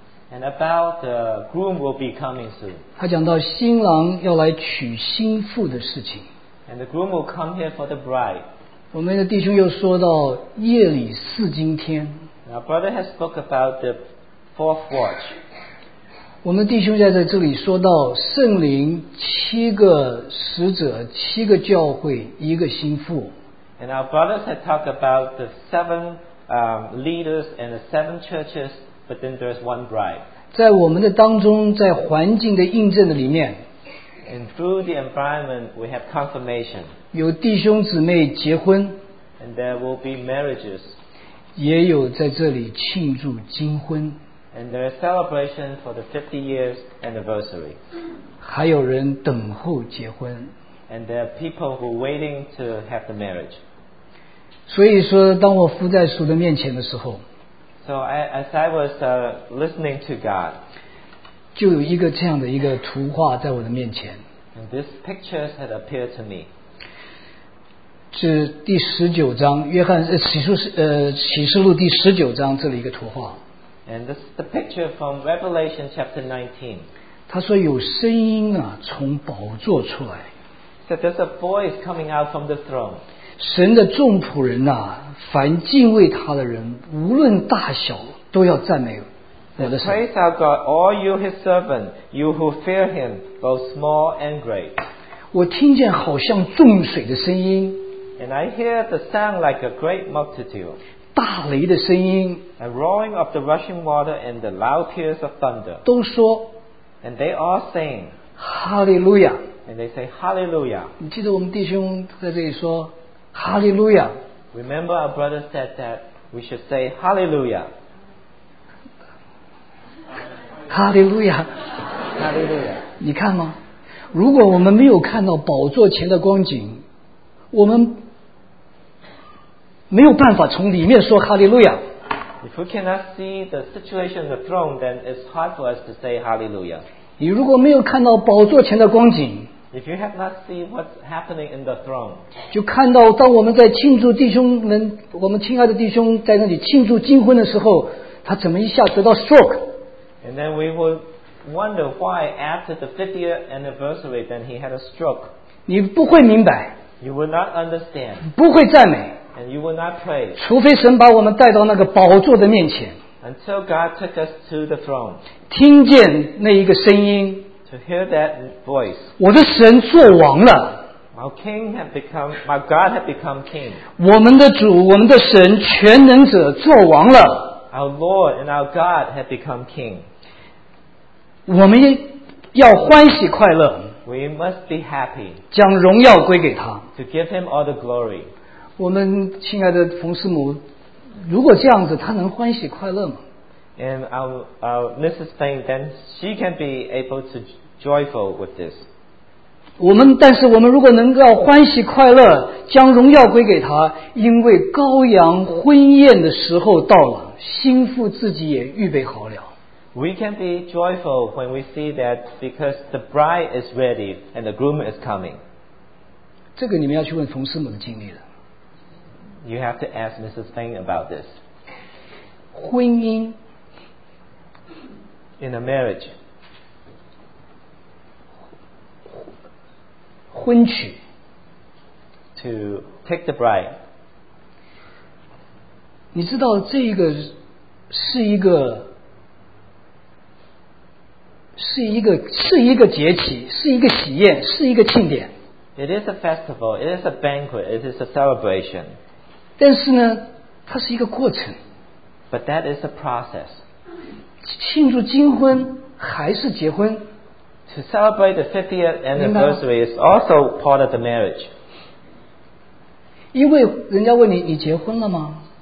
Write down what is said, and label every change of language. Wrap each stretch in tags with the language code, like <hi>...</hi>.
<en>And about the groom will be coming soon.</en> <zh>他讲到新郎要来娶新妇的事情。</zh> <en>And the groom will come here for the bride.</en> <zh>我们的弟兄又说到夜里四更天。</zh> <en>Our brother has spoke about the fourth watch.</en> <zh>我们弟兄在这里说到圣灵七个使者，七个教会，一个新妇。</zh> <en>And our brothers have talked about the seven leaders and the seven churches. But then there's one bride.</en> <zh>在我们的当中，在环境的印证的里面</zh> <en>，and through the environment we have confirmation.</en> <zh>有弟兄姊妹结婚</zh> <en>，and there will be marriages.</en> <zh>也有在这里庆祝金婚</zh> <en>，and there is celebration for the 50 years anniversary.</en> <zh>还有人等候结婚</zh> <en>，and there are people who are waiting to have the marriage.</en> <zh>所以说，当我伏在主的面前的时候。</zh> <en>So as I was listening to God,</en> <zh>就有一个这样的一个图画在我的面前。</zh> <en>And this picture had appeared to me.</en> <zh>是第十九章，约翰启示录第十九章这里一个图画。</zh> <en>And this is the picture from Revelation chapter 19.</en> <zh>他说有声音啊，从宝座出来。</zh> <en>So there's a voice coming out from the throne.</en> <zh>神的众仆人呐、啊，凡敬畏他的人，无论大小，都要赞美我的神。</zh> <en>Praise our God, all you His servants, you who fear Him, both small and great.</en> <zh>我听见好像众水的声音。</zh> <en>And I hear the sound like a great multitude.</en> <zh>大雷的声音。</zh> <en>A roaring of the rushing water and the loud peals of thunder.</en> <zh>都说。</zh> <en>And they all sing. Hallelujah. And they say Hallelujah.</en> <zh>你记得我们弟兄在这里说 Hallelujah.</zh> <en>Remember our brother said that we should say Hallelujah. Hallelujah. Hallelujah.</en> <zh>你看吗？如果我们没有看到宝座前的光景，我们没有办法从里面说哈利路亚。</zh> <en>If we cannot see the situation of the throne, then it's hard for us to say Hallelujah.</en> <zh>你如果没有看到宝座前的光景</zh> <en>，If you have not seen what's happening in the throne,</en> <zh>就看到当我们在庆祝弟兄们，我们亲爱的弟兄在那里庆祝金婚的时候，他怎么一下得到 stroke？</zh> <en>And then we will wonder why after the 50th anniversary, then he had a stroke.</en> <zh>你不会明白。</zh> <en>You will not understand.</en> <zh>不会赞美。</zh> <en>And you will not pray.</en> <zh>除非神把我们带到那个宝座的面前。</zh> <en>Until God took us to the throne.</en> <zh>听见那一个声音。</zh> <en>To hear that voice.</en> <zh>我的神做王了。</zh> <en>Our king had become, my God had become king.</en> <zh>我们的主，我们的神，全能者做王了。</zh> <en>Our Lord and our God had become king.</en> <zh>我们要欢喜快乐。</zh> <en>We must be happy.</en> <zh>将荣耀归给他。</zh> <en>To give him all the glory.</en> <zh>我们亲爱的冯师母，如果这样子，他能欢喜快乐吗</zh> <en>？And our Mrs. Fang, then she can be able to joyful with this.</en> <zh>我们但是我们如果能够欢喜快乐，将荣耀归给他，因为羔羊婚宴的时候到了，心腹自己也预备好了。</zh> <en>We can be joyful when we see that because the bride is ready and the groom is coming.</en> <zh>这个你们要去问冯师母的经历</zh> <en>了。You have to ask Mrs. Fang about this.</en> <zh>婚姻</zh> <en>in a marriage.</en> <zh>婚娶</zh> <en>to take the bride.</en> <zh>你知道这个是一个。是一个节期，是一个喜宴，是一个庆典。</zh> <en>It is a festival. It is a banquet. It is a celebration.</en> <zh>但是呢，它是一个过程。</zh> <en>But that is a process.</en> <zh>庆祝金婚还是结婚</zh> <en>？To celebrate the 50th anniversary is also part of the marriage.</en> <zh>因为人家问你，你结婚了吗</zh>